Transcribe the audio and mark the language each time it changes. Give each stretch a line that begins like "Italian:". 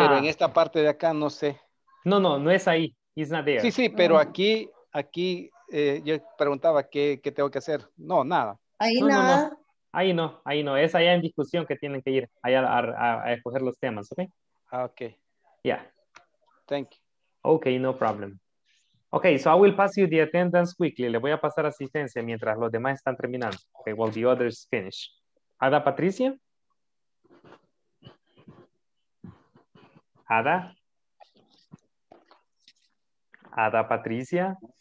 Spanish: Pero en esta parte de acá no sé. No es ahí.
English: It's not there.
Spanish: Sí, sí, pero aquí yo preguntaba qué tengo que hacer. No, nada. Ahí no, nada. No. Ahí no. Es allá en discusión que tienen que ir allá a escoger los temas, ¿ok? Ah, ok.
English: Yeah. Thank you. Okay, no problem. Okay, so I will pass you the attendance quickly.
Spanish: Le voy a pasar asistencia mientras los demás están terminando.
English: Okay, while the others finish. Ada Patricia? Ada? Ada Patricia?